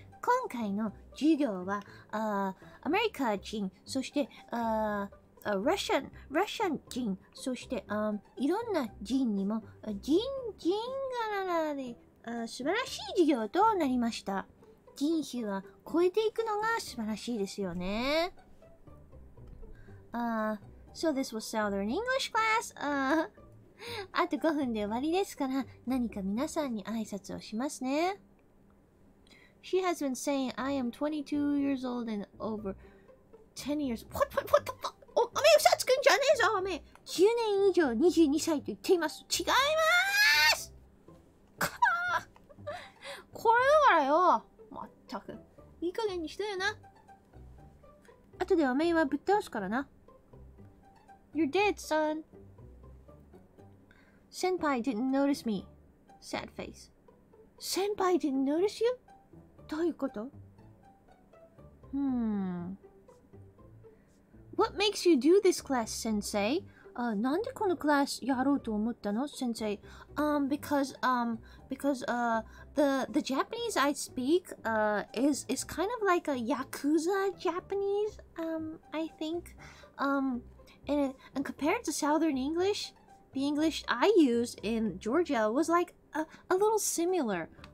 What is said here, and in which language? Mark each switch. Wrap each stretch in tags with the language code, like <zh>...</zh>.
<ja>今回の授業はアメリカ人、そしてロシア人、そしていろんな人にも人がならで素晴らしい授業となりました。人種は超えていくのが素晴らしいですよね。</ja> <en>So this was Southern English class.</en> <ja>あと5分で終わりですから、何か皆さんに挨拶をしますね。</ja> <en>She has been saying, I am 22 years old and over 10 years. What?</en> <ja>おめえ嘘つくんじゃねえぞ、おめえ。 10年以上22歳と言っています。違います。これだからよ。まったく。いい加減にしてよな。あとでおめえはぶっ倒すからな。</ja> <en>You're dead, son. Senpai didn't notice me. Sad face. Senpai didn't notice you?</en> <ja>どういうこと?</ja> <en>What makes you do this class, sensei?</en> <ja>なんでこのクラスやろうと思ったの、先生?</ja> <en>Because the Japanese I speak, is kind of like a Yakuza Japanese, I think. And compared to Southern English, the English I used in Georgia was like a little similar.</en>